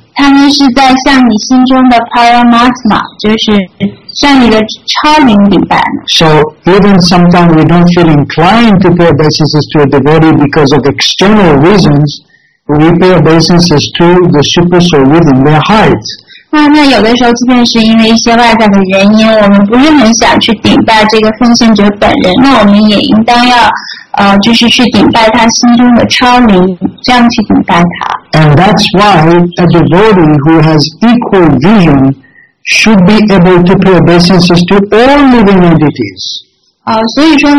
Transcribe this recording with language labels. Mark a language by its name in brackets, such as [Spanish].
[English] So even sometimes we don't feel inclined to pay obeisance to a devotee because of external reasons, we pay obeisance to the super soul within their heart. [Chinese] 那有的时候即便是因为一些外在的原因，我们不是很想去顶拜这个奉献者本人，那我们也应当要去顶拜他心中的超灵，这样去顶拜他。 [English] And that's why a devotee who has equal vision should be able to pay obeisance to all living entities.